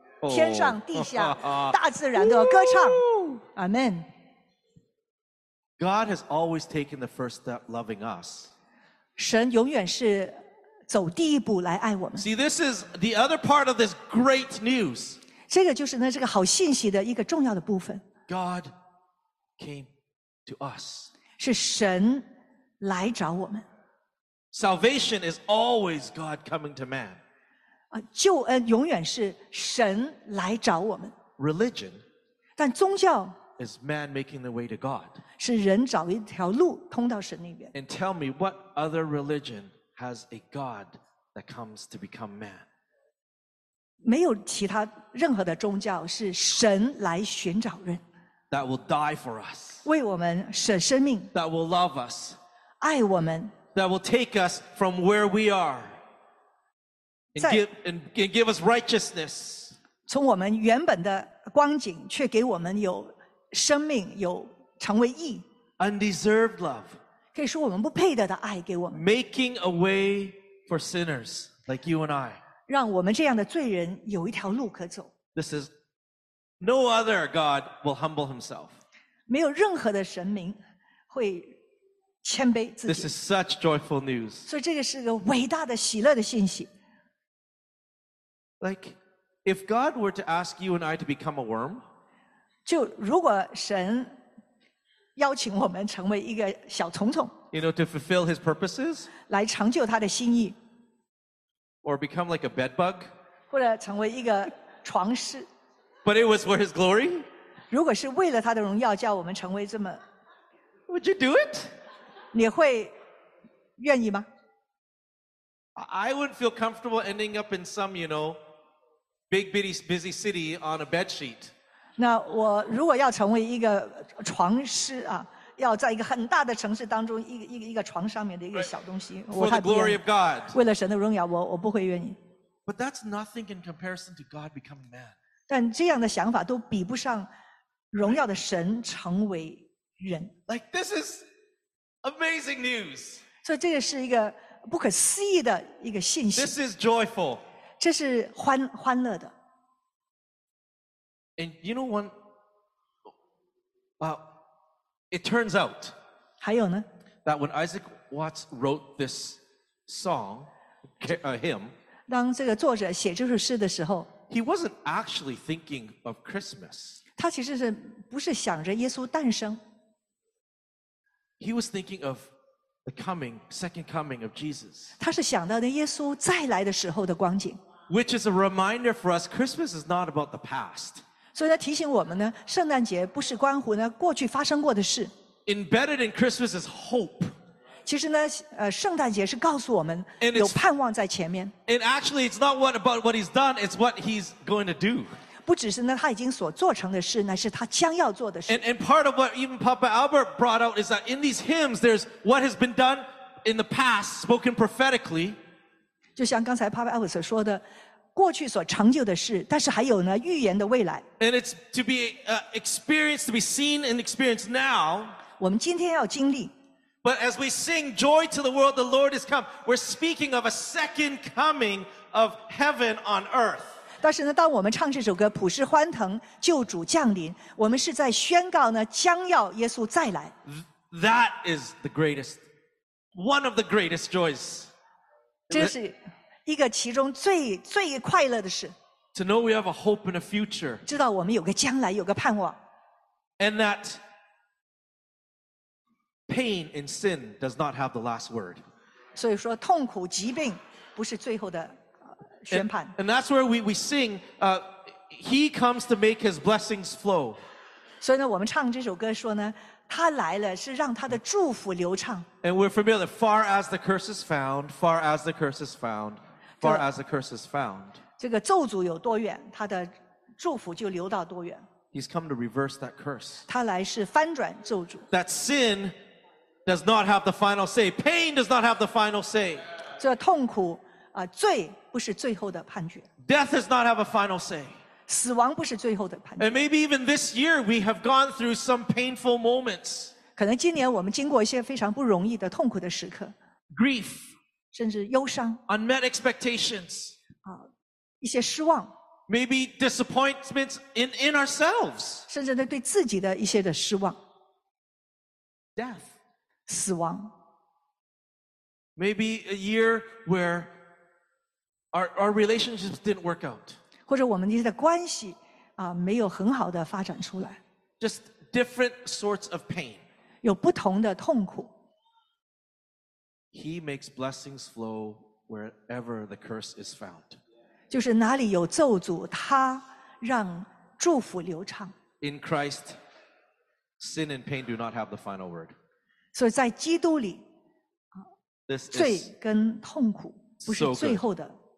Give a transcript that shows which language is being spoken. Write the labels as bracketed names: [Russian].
[Chinese] 天上地下，大自然都要歌唱。 [English] Amen. God has always taken the first step loving us. [Chinese] 神永远是走第一步来爱我们。 [English] See, this is the other part of this great news. [Chinese] 这个就是呢这个好信息的一个重要的部分。 [English] God came to us. [Chinese] 是神来找我们。 [English] Salvation is always God coming to man. [Chinese] 救恩永远是神来找我们。 [English] Religion. [Chinese] 但宗教。 [English] Is man making the way to God? [Chinese] 是人找一条路通到神那边。 [English] And tell me what other religion has a God that comes to become man? [Chinese] 没有其他任何的宗教是神来寻找人。 [English] That will die for us. [Chinese] 为我们舍生命。 [English] That will love us. [Chinese] 爱我们。 [English] That will take us from where we are. And give us righteousness. [Chinese] 从我们原本的光景，却给我们有。生命有成为义 [English] undeserved love [Chinese] 可以说我们不配得的爱给我们 [English] making a way for sinners like you and I [Chinese] 让我们这样的罪人有一条路可走 [English] this is no other God will humble himself [Chinese] 没有任何的神明会谦卑自己 [English] this is such joyful news [Chinese] 所以这个是个伟大的喜乐的信息 [English] like if God were to ask you and I to become a worm [Chinese] 就如果神邀请我们成为一个小虫虫 [English] you know, to fulfill his purposes, [Chinese] 来成就他的心意 [English] or become like a bed bug, [Chinese] 或者成为一个床虱 [English] but it was for his glory, [Chinese] 如果是为了他的荣耀叫我们成为这么 [English] would you do it? [Chinese] 你会愿意吗 [English] I wouldn't feel comfortable ending up in some, you know, big busy city on a bed sheet. [Chinese] 那我如果要成为一个床虱啊，要在一个很大的城市当中，一个床上面的一个小东西， [English] right. For the glory of God. [Chinese] 为了神的荣耀，我不会愿意。 [English] But that's nothing in comparison to God becoming man. [Chinese] 但这样的想法都比不上荣耀的神成为人。 [English] Like this is amazing news. [Chinese] 所以这个是一个不可思议的一个信息。 [English] This is joyful. [Chinese] 这是欢乐的。 [English] And you know one, it turns out [Chinese] 还有呢? [English] That when Isaac Watts wrote this song, hymn, [Chinese] 当这个作者写这首诗的时候, [English] he wasn't actually thinking of Christmas. [Chinese] 他其实是不是想着耶稣诞生? [English] He was thinking of the coming, second coming of Jesus. [Chinese] 他是想到的耶稣再来的时候的光景。 [English] Which is a reminder for us, Christmas is not about the past. [Chinese] 所以他提醒我们呢，圣诞节不是关乎呢过去发生过的事。 [English] Embedded in Christmas is hope. [Chinese] 其实呢，圣诞节是告诉我们有盼望在前面。 [English] And actually, it's not what about what he's done; it's what he's going to do. [Chinese] 不只是那他已经所做成的事，乃是他将要做的事。 [English] And part of what even Papa Albert brought out is that in these hymns, there's what has been done in the past, spoken prophetically. [Chinese] 就像刚才 Papa Albert 所说的，过去所成就的事，但是还有呢预言的未来。 [English] And it's to be experienced, to be seen and experienced now. [Chinese] 我们今天要经历。 [English] But as we sing joy to the world, the Lord is come. We're speaking of a second coming of heaven on earth. [Chinese] 但是呢，当我们唱这首歌，普世欢腾，救主降临，我们是在宣告呢，将要耶稣再来。 [English] That is the greatest, one of the greatest joys. [Chinese] 这是一个其中最最快乐的事。 [English] To know we have a hope and a future. [Chinese] 知道我们有个将来，有个盼望。 [English] And that. Pain and sin does not have the last word. [Chinese] 所以说痛苦疾病不是最后的宣判。 [English] And that's where we sing, he comes to make his blessings flow. [Chinese] 所以呢我们唱这首歌说呢他来了是让他的祝福流畅。 [English] And we're familiar, far as the curse is found, far as the curse is found, far as the curse is found. [Chinese] 这个咒诅有多远他的祝福就流到多远。 [English] He's come to reverse that curse. [Chinese] 他来是翻转咒诅。 [English] That sin,does not have the final say. Pain does not have the final say. [Chinese] 这痛苦啊，罪不是最后的判决。 [English] Death does not have a final say. [Chinese] 死亡不是最后的判决。 [English] And maybe even this year we have gone through some painful moments. [Chinese] 可能今年我们经过一些非常不容易的痛苦的时刻。 [English] Grief. [Chinese] 甚至忧伤。 [English] Unmet expectations. 啊， [Chinese] 一些失望。 [English] Maybe disappointments in ourselves. [Chinese] 甚至对自己的一些的失望。 [English] Death. [Chinese] 死亡。 [English] Maybe a year where our relationships didn't work out. [Chinese] 或者我们的关系啊没有很好的发展出来。 [English] Just different sorts of pain. [Chinese] 有不同的痛苦。 [English] He makes blessings flow wherever the curse is found. [Chinese] 就是哪里有咒诅，他让祝福流畅。 [English] In Christ, sin and pain do not have the final word. [Chinese] 所以在基督里罪跟痛苦不是最后的。